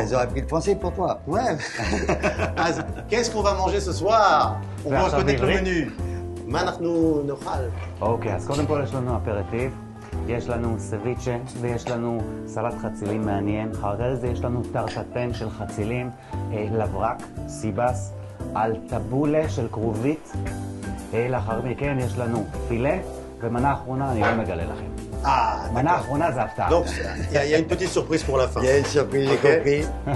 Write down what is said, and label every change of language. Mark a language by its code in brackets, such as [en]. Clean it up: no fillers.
[fr] Ils auraient pris le français pour toi. Ouais. Alors, qu'est-ce qu'on va manger ce soir? On va connaître le menu. [he] מה אנחנו נאכל? אוקיי, אז קודם כל יש לנו אפרטיב, יש לנו סביצ'ה ויש לנו סלט חצילים מעניין. אחר כך זה יש לנו טרטטן של חצילים, לברק, סיבס, על טבולה של קרובית. לאחר מכן יש לנו פילה, ומנה אחרונה אני לא מגלה לכם. מנה אחרונה זה הפתעה. [fr] Donc, il y a une petite surprise pour la fin. Il y a une surprise, j'ai compris.